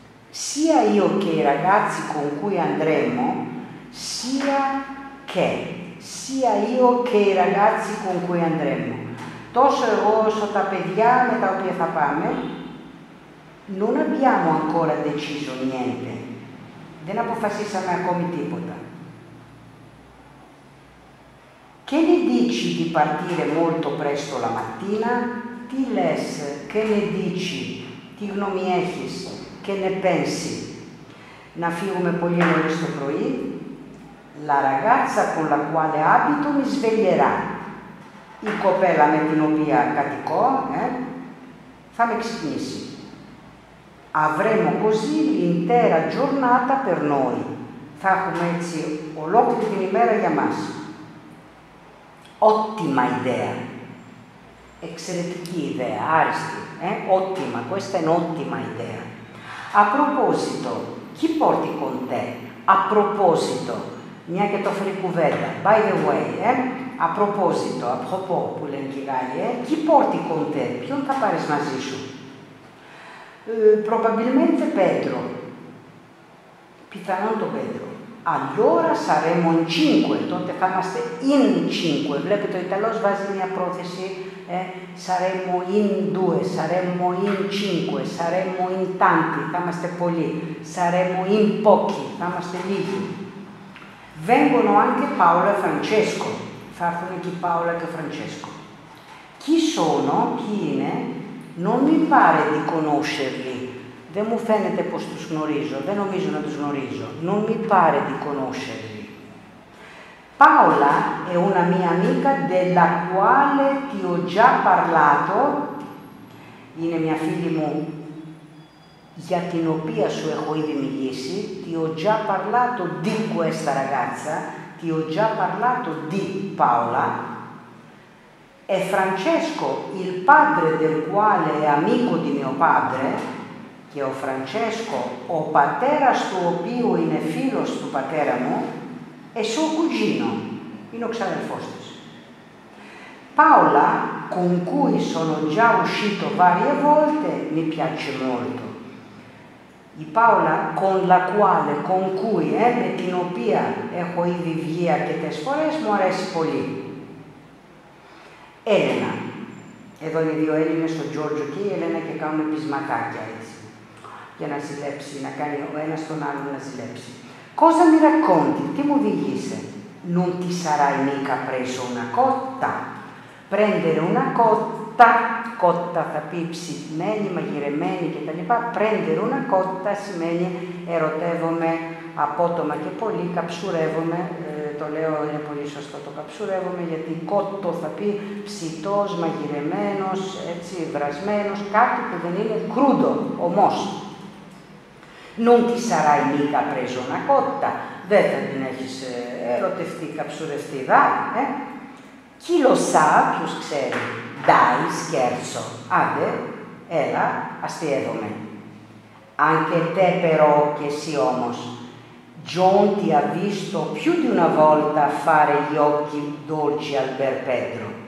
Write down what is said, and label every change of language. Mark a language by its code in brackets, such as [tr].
[it] Sia io che i ragazzi con cui andremo, sia io che i ragazzi con cui andremo, [el] τόσο εγώ όσο τα παιδιά με τα οποία θα πάμε, [it] non abbiamo ancora deciso niente, [el] δεν αποφασίσαμε ακόμη τίποτα. [it] Che ne dici di partire molto presto la mattina, [el] τι λες, [it] che ne dici, [el] τι γνώμη έχεις, [it] che ne pensi? [el] Να φύγουμε πολύ νωρίς το πρωί. [it] La ragazza con la quale abito mi sveglierà. [el] Η κοπέλα με την οποία κατοικώ, θα με ξυπνήσει. [it] Avremo così l'intera giornata per noi. [el] Θα έχουμε έτσι ολόκληρη την ημέρα για μας. [it] Ottima idea. [el] Εξαιρετική ιδέα, άριστη. [it] Ottima, questa è un'ottima idea. A proposito, [el] Τι πόρτι [it] con te, a proposito, [el] μια και το φέρει κουβέντα, [en] by the way, [it] a proposito, [el] a propos, που λένε και οι Γάλλοι, τι πόρτι [it] con te, [el] ποιον θα πάρεις μαζί σου. [it] Probabilmente Pedro. [el] Πιθανόν το Pedro. [it] Allora saremo in cinque, [el] τότε θα είμαστε [it] in cinque. [el] Βλέπετε, ο Ιταλός βάζει μια πρόθεση, [it] saremo in due, saremo in cinque, saremo in tanti, [el] θα είμαστε πολλοί, [it] saremo in pochi, [el] θα είμαστε λίγοι. [it] Vengono anche Paolo e Francesco, [el] θα έρθουν και [it] Paolo e Francesco. Chi sono, chi [el] είναι, [it] non mi pare di conoscerli. [el] Δεν μου φαίνεται πως τους γνωρίζω. Δεν νομίζω να τους γνωρίζω. [it] Non mi pare di conoscerli. Paola è una mia amica della quale ti ho già parlato. [el] Είναι μια φίλη μου για την οποία σου έχω ήδη μιλήσει. [it] Ti ho già parlato di questa ragazza. Ti ho già parlato di Paola. E Francesco, il padre del quale è amico di mio padre, [el] και ο Φραντσέσκο, ο πατέρας του οποίου είναι φίλος του πατέρα μου, εσύ ο κουζίνο, είναι ο ξαδελφός της. [it] Paola, con cui sono già uscito varie volte, mi piace molto. [el] Η Paola, [it] con la quale, con cui, [el] με την οποία έχω ήδη βγει αρκετές φορές, μου αρέσει πολύ. Έλενα. Εδώ είναι δύο Έλληνες, ο Γιώργο και η Έλενα, και κάνουν πεισματάκια έτσι. Για να ζηλέψει, να κάνει ο ένα τον άλλο να ζηλέψει. [it] Cosa mi racconti, [el] τι μου διηγείσαι. [it] Non ti sarai mica preso una cotta. Prendere una cotta, [el] cotta θα πει ψημένη, μαγειρεμένη κτλ. [it] Prendere una cotta [el] σημαίνει ερωτεύομαι απότομα και πολύ, καψουρεύομαι. Το λέω, είναι πολύ σωστό το καψουρεύομαι, γιατί κότο θα πει ψητός, μαγειρεμένος, έτσι, βρασμένος, κάτι που δεν είναι κρούντο, ομός. [it] Non ti sarai mica preso una cotta, [el] δεν θα την έχεις ερωτευτεί, καψουρευτεί, δά, [it] Chi lo sa, [el] ποιος ξέρει, [it] dai, scherzo, [el] άντε, έλα, αστειεύομαι. [it] Anche te però, che sì [el] όμως, [it] John ti ha visto più di una volta fare gli occhi dolci al bel Pedro.